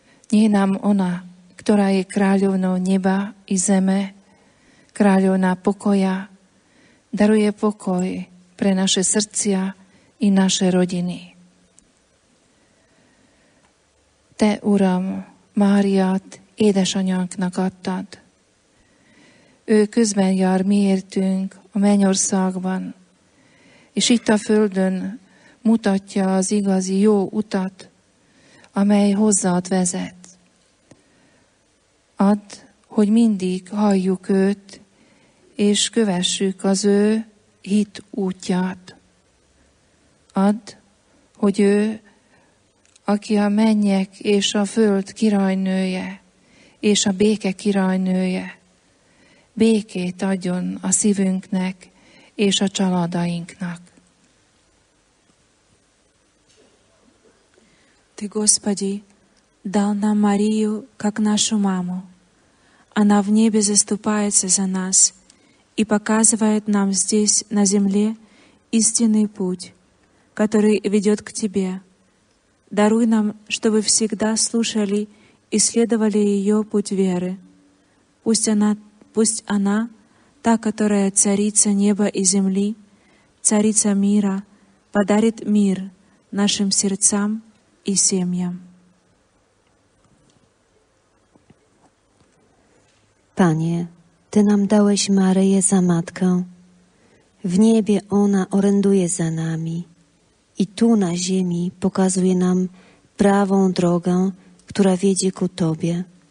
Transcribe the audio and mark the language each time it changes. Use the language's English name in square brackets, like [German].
[Slovak] Nie nám ona, ktorá je kráľovnou neba i zeme, kráľovná pokoja, daruje pokoj pre naše srdcia i naše rodiny. [Hungarian] Te Uram, Máriát, édesanyánk nagadtad. Ő közben jár miértünk a mennyországban, és itt a földön mutatja az igazi jó utat, amely hozzád vezet. Add, hogy mindig halljuk őt, és kövessük az ő hit útját. Add, hogy ő, aki a mennyek és a föld királynője, és a béke királynője, békét adjon a szívünknek és a családainknak. [Russian] Ты, Господи, дал нам Марию, как нашу маму. Она в небе заступается за нас и показывает нам здесь, на земле, истинный путь, который ведет к Тебе. Даруй нам, чтобы всегда слушали и следовали ее путь веры. Пусть она, та, которая царица неба и земли, царица мира, подарит мир нашим сердцам и семьям. [Polish] Panie, Ty nam dałeś Maryję za matkę. W niebie ona oręduje za nami i tu na ziemi pokazuje nam prawą drogę, która wiedzie ku Tobie.